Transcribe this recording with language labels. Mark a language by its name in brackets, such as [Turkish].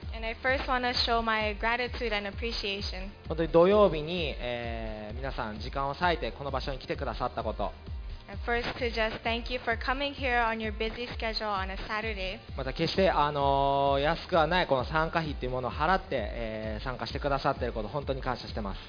[English] and I first want to show my gratitude and appreciation. [Japanese] 本当に土曜日に、皆さん時間を割いてこの場所に来てくださったこと。 [English] First to just thank you for coming here on your busy schedule on a Saturday. [Japanese] また決して安くはないこの参加費というものを払って、参加してくださっていること本当に感謝しています。